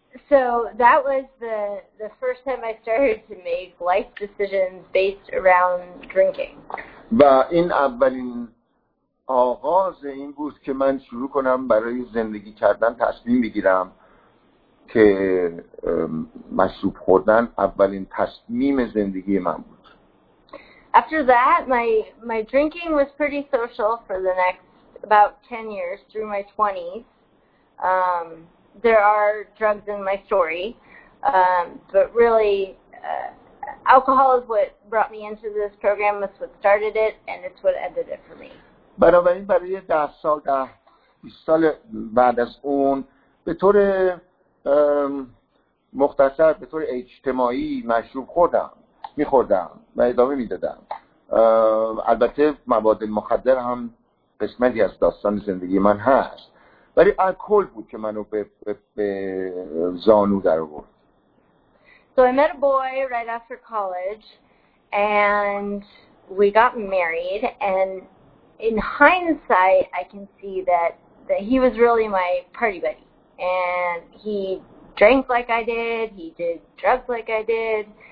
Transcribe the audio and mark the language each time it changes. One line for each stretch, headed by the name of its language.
English: So that was the first time I started to make life decisions based around drinking.
Persian: و این اولین آغاز این بود که من شروع کنم برای زندگی کردن تصمیم بگیرم که مشروب خوردن اولین تصمیم زندگی من بود.
English: After that, my drinking was pretty social for the next about 10 years through my 20s. There are drugs in my story, but really alcohol is what brought me into this program, it's what started it, and it's what ended it for me.
Persian: بنابراین برای 10 سال، 10-20 سال بعد از اون به طور مختصر، به طور اجتماعی مشروب خوردم، میخوردم و ادامه میدادم. البته مواد مخدر هم قسمتی از داستان زندگی من هست، ولی الکل بود که منو به زانو در آورد.
English: So I met a boy right after college and we got married, and in hindsight I can see that he was really my party buddy, and he drank like I did, he did drugs like I did.